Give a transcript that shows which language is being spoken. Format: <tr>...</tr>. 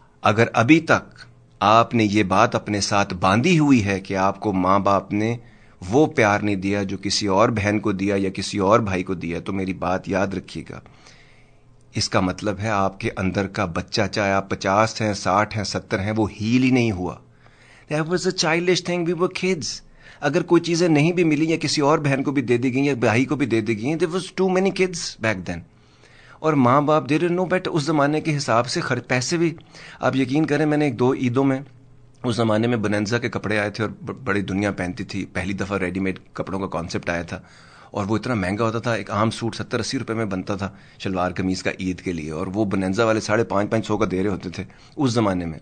<hi>अगर अभी तक आपने ये बात अपने साथ बांधी हुई है कि आपको मां बाप ने वो प्यार नहीं दिया जो किसी और बहन को दिया या किसी और भाई को दिया, तो मेरी बात याद रखिएगा, इसका मतलब है आपके अंदर का बच्चा, चाहे आप 50 हैं, 60 हैं, 70 हैं, वो हील ही नहीं हुआ.</hi> <en>That was a childish thing, we were kids.</en> <hi>अगर कोई चीजें नहीं भी मिली या किसी और बहन को भी दे दी गई या भाई को भी दे दी गई,</hi> <en>there was too many kids back then.</en> <hi>और माँ बाप</hi> <en>they didn't know better</en> <hi>उस जमाने के हिसाब से खर्च, पैसे भी आप यकीन करें, मैंने एक दो ईदों में, उस जमाने में बनेंजा के कपड़े आए थे और बड़ी दुनिया पहनती थी, पहली दफा रेडीमेड कपड़ों का कॉन्सेप्ट आया था, और वो इतना महंगा होता था, एक आम सूट 70-80 रुपए में बनता था शलवार कमीज का ईद के लिए, और वो बनेंजा वाले 550 का दे रहे होते थे उस जमाने में.</hi>